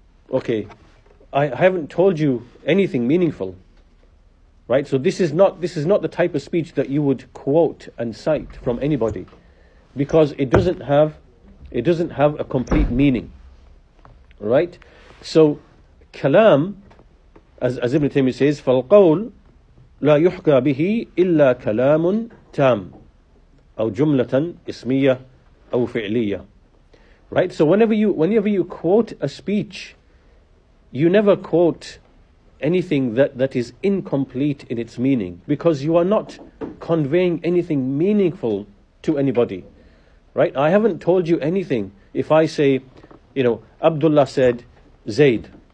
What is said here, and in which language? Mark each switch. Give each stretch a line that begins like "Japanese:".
English: Okay, I haven't told you anything meaningful. Right, so this is not the type of speech that you would quote and cite from anybody, because it doesn't have a complete meaning. Right, so kalam, as Ibn Taymiyyah says,
Arabic: فَالْقَوْلُ لَا يُحْكَى بِهِ إِلَّا كَلَامٌ تَامٌ أَوْ جُمْلَةً إِسْمِيَّةً أَوْ فِعْلِيَّةً.
English: Right, so whenever you quote a speech, you never quote anything that is incomplete in its meaning, because you are not conveying anything meaningful to anybody, right? I haven't told you anything if I say, you know, Abdullah said, Zaid.